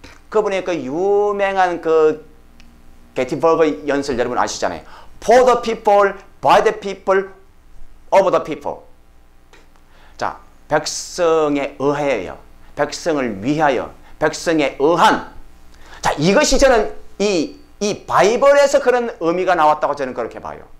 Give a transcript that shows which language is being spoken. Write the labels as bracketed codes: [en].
[ko] 그분의 그 유명한 그 게티버그 연설 여러분 아시잖아요. [en] For the people, by the people, of the people. [ko] 자, 백성에 의하여, 백성을 위하여, 백성에 의한. 자, 이것이 저는 이 바이블에서 그런 의미가 나왔다고 저는 그렇게 봐요.